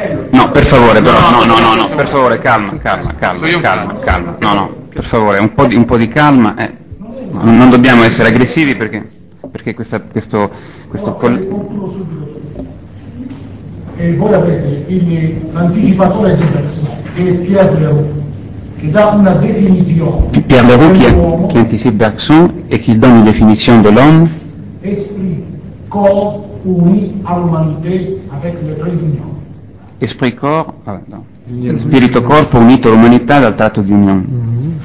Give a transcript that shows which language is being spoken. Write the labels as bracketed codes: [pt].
[it] No, per favore, però, no, per favore, calma. No, per favore, un po' di calma. Non dobbiamo essere aggressivi perché questo collo. E voi avete l'anticipatore di Bergson, che è Pierre Leroux. [fr] Pierre Leroux qui anticipe Bergson et qui donne une définition de l'homme. Esprit, corps, uni à l'humanité avec le trait d'union. Esprit, corps, [it] spirito, corpo, unito all'umanità dal tratto di union.